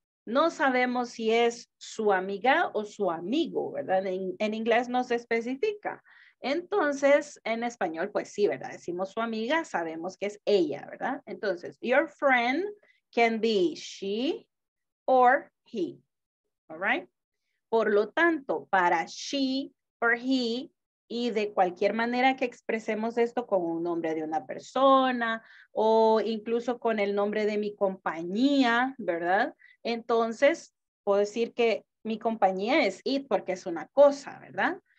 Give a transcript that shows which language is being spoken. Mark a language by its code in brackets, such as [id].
[es] No sabemos si es su amiga o su amigo, ¿verdad? En inglés no se especifica. Entonces, en español, pues sí, ¿verdad? Decimos su amiga, sabemos que es ella, ¿verdad? [en] Entonces, your friend can be she or he, all right? [es] Por lo tanto, para [en] she or he, [es] y de cualquier manera que expresemos esto con un nombre de una persona o incluso con el nombre de mi compañía, ¿verdad? Entonces, puedo decir que mi compañía es it porque es una cosa, ¿verdad?